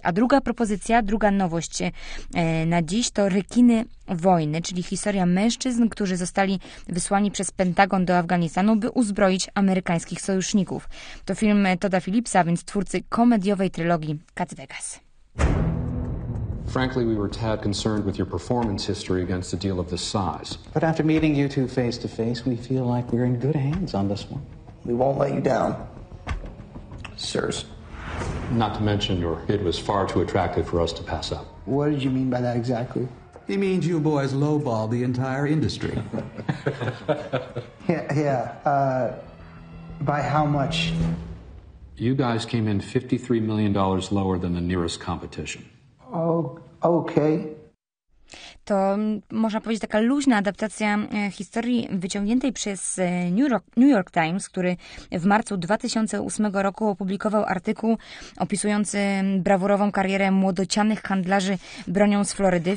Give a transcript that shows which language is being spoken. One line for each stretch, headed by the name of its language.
Polish: A druga propozycja, druga nowość na dziś to Rekiny Wojny, czyli historia mężczyzn, którzy zostali wysłani przez Pentagon do Afganistanu, by uzbroić amerykańskich sojuszników. To film Todda Phillipsa, więc twórcy komediowej trylogii Cat Vegas.
English: Frankly, we were tad concerned with your performance history against a deal of this size. But after meeting you two face to face, we feel like we're in good hands on this one. We won't let you down, sirs. Not to mention your hit was far too attractive for us to pass up. What did you mean by that exactly? He means you boys lowball the entire industry. By how much? You guys came in $53 million lower than the nearest competition. Oh, okay.
Polish: To, można powiedzieć, taka luźna adaptacja historii wyciągniętej przez New York Times, który w marcu 2008 roku opublikował artykuł opisujący brawurową karierę młodocianych handlarzy bronią z Florydy.